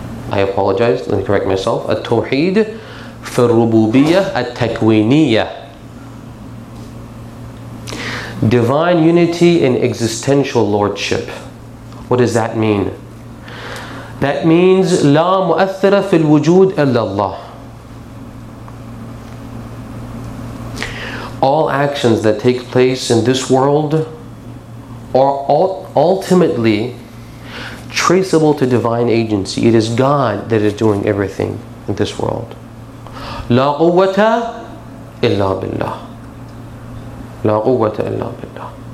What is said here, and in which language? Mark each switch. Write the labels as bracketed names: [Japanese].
[English] I apologize, let me correct myself. At-Tawheed Fil-Rububiyyah At-Takwiniyyah. Divine unity in existential lordship. What does that mean? That means [Arabic] لا مؤثر في الوجود إلا الله. [English] All actions that take place in this world are ultimately traceable to divine agency. It is God that is doing everything in this world. [Arabic] لا قوة إلا بالله. لا قوة إلا بالله.